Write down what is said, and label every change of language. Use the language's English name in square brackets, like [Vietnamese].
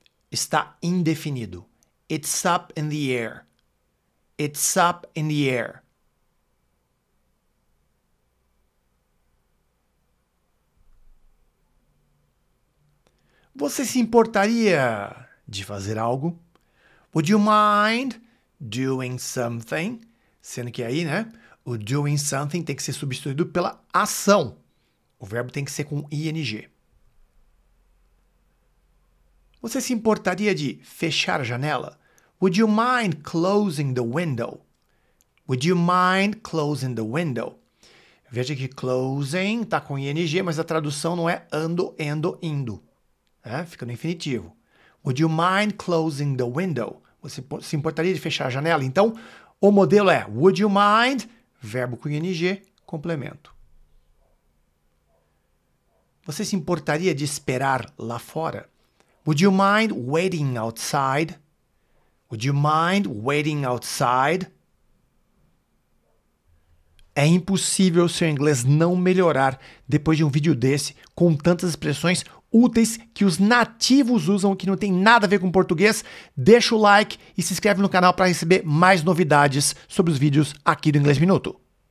[Portuguese] Está indefinido. [English] It's up in the air. It's up in the air. [Portuguese] Você se importaria de fazer algo? [English] Would you mind doing something? [Portuguese] Sendo que aí, né? O doing something tem que ser substituído pela ação. O verbo tem que ser com ing. Você se importaria de fechar a janela? [English] Would you mind closing the window? Would you mind closing the window? [Portuguese] Veja que closing está com ing, mas a tradução não é ando, endo, indo. É? Fica no infinitivo. [English] Would you mind closing the window? [Portuguese] Você se importaria de fechar a janela? Então, o modelo é [English] would you mind, [Portuguese] verbo com ing, complemento. Você se importaria de esperar lá fora? [English] Would you mind waiting outside? Would you mind waiting outside? [Portuguese] É impossível seu inglês não melhorar depois de um vídeo desse com tantas expressões úteis que os nativos usam que não tem nada a ver com português. Deixa o like e se inscreve no canal para receber mais novidades sobre os vídeos aqui do Inglês Minuto.